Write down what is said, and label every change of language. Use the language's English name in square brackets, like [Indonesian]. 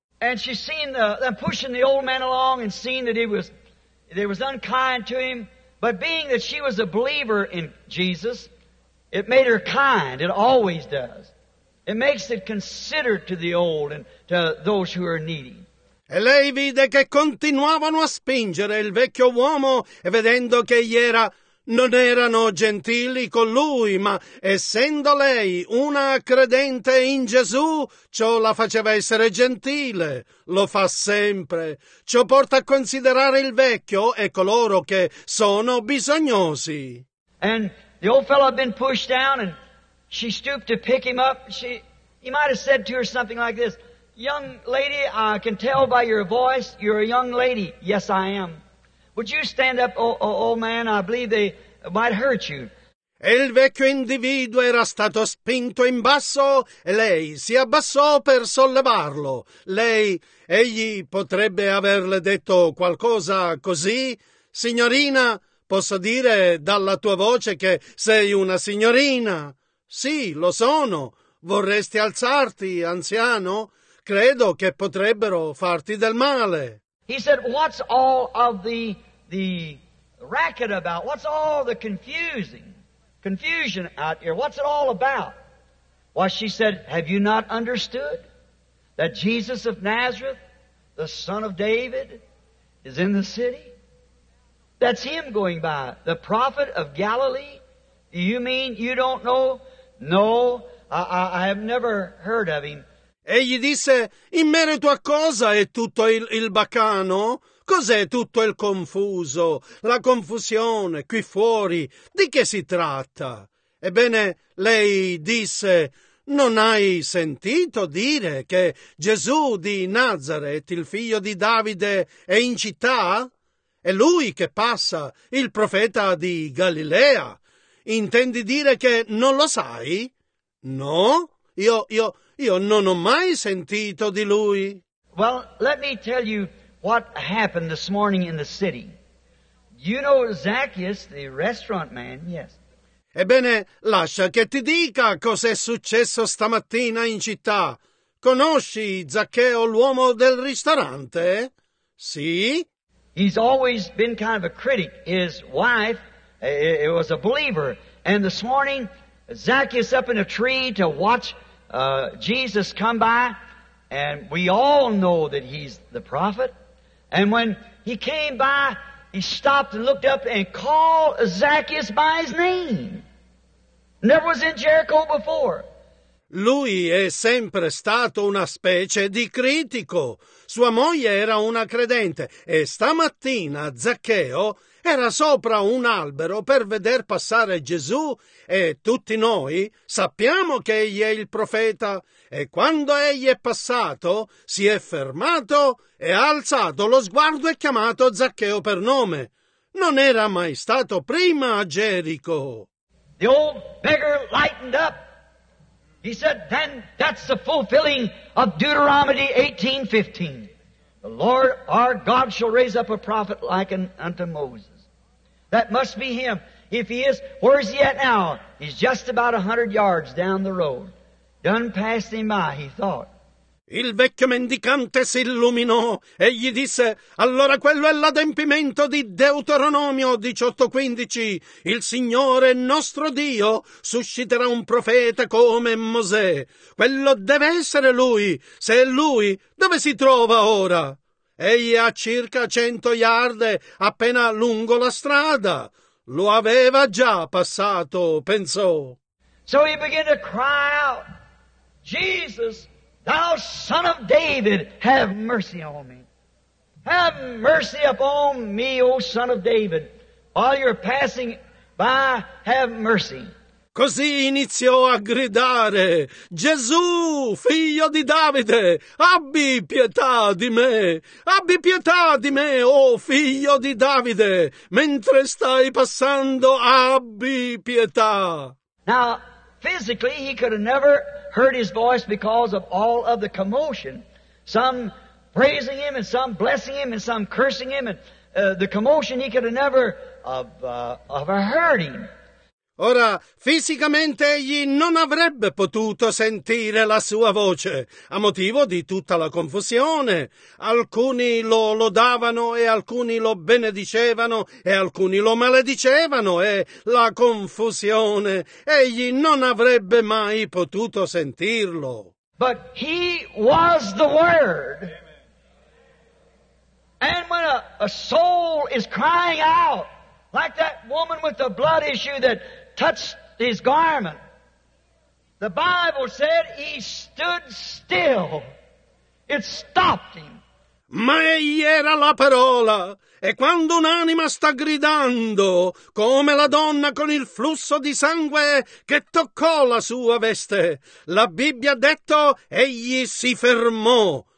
[English] And she seen the pushing the old man along and seen that he was... It was unkind to him, but being that she was a believer in Jesus, it made her kind. It always does. It makes it considerate to the old and to those who are needy. [Italian] E lei vide che continuavano a spingere il vecchio uomo e vedendo che gli era non erano gentili con lui, ma essendo lei una credente in Gesù, ciò la faceva essere gentile. Lo fa sempre. Ciò porta a considerare il vecchio e coloro che sono bisognosi. [English] And the old fellow had been pushed down and she stooped to pick him up. He might have said to her something like this: "Young lady, I can tell by your voice you're a young lady." "Yes, I am." "Would you stand up, old man? I believe they might hurt you." [Italian] E il vecchio individuo era stato spinto in basso e lei si abbassò per sollevarlo. Egli potrebbe averle detto qualcosa così: "Signorina, posso dire dalla tua voce che sei una signorina?" "Sì, lo sono." "Vorresti alzarti, anziano? Credo che potrebbero farti del male." [English] He said, "What's all of the racket about? What's all the confusion out here? What's it all about?" Well, she said, "Have you not understood that Jesus of Nazareth, the son of David, is in the city? That's him going by, the prophet of Galilee. Do you mean you don't know?" "No, I have never heard of him." [Italian] E gli disse: "In merito a cosa è tutto il baccano? Cos'è tutto il confuso? La confusione qui fuori, di che si tratta?" Ebbene, lei disse: "Non hai sentito dire che Gesù di Nazareth, il figlio di Davide, è in città? È lui che passa, il profeta di Galilea. Intendi dire che non lo sai?" "No, io non ho mai sentito di lui." [English] Well, let me tell you what happened this morning in the city. You know Zacchaeus, the restaurant man, yes. [Italian] Ebbene, lascia che ti dica cos'è successo stamattina in città. Conosci Zaccheo, l'uomo del ristorante? Sì. [English] He's always been kind of a critic. His wife, it was a believer. And this morning, Zacchaeus up in a tree to watch Jesus come by, and we all know that he's the prophet. And when he came by, he stopped and looked up and called Zacchaeus by his name. Never was in Jericho before. [Italian] Lui è sempre stato una specie di critico. Sua moglie era una credente e stamattina Zaccheo era sopra un albero per veder passare Gesù e tutti noi sappiamo che egli è il profeta e quando egli è passato si è fermato e ha alzato lo sguardo e chiamato Zaccheo per nome. Non era mai stato prima a Gerico. [English] The old beggar lightened up. He said, "Then that's the fulfilling of Deuteronomy 18:15. The Lord our God shall raise up a prophet like unto Moses." That must be him. If he is, where is he at now? He's just about 100 yards down the road. Done passed him by, he thought. [Italian] Il vecchio mendicante si illuminò e gli disse: "Allora quello è l'adempimento di Deuteronomio 18:15. Il Signore nostro Dio susciterà un profeta come Mosè. Quello deve essere lui. Se è lui, dove si trova ora?" Egli ha circa 100 yard appena lungo la strada. Lo aveva già passato, pensò. [English] So he began to cry out, "Jesus, thou son of David, have mercy on me. Have mercy upon me, O son of David. While you're passing Rabbi, have mercy. [Italian] Così iniziò a gridare, Gesù, figlio di Davide, abbi pietà di me, abbi pietà di me, oh figlio di Davide, mentre stai passando, abbi pietà. [English] Now, physically, he could have never heard his voice because of all of the commotion. Some praising him and some blessing him and some cursing him and the commotion, he could have never heard him. [Italian] Ora, fisicamente egli non avrebbe potuto sentire la sua voce, a motivo di tutta la confusione. Alcuni lo lodavano e alcuni lo benedicevano e alcuni lo maledicevano e la confusione. Egli non avrebbe mai potuto sentirlo. [English] But he was the Word. And when a soul is crying out, like that woman with the blood issue that touched his garment, the Bible said he stood still. It stopped him. [Italian] Ma egli era la parola. E quando un'anima sta gridando, come la donna con il flusso di sangue che toccò la sua veste, la Bibbia ha detto egli si fermò.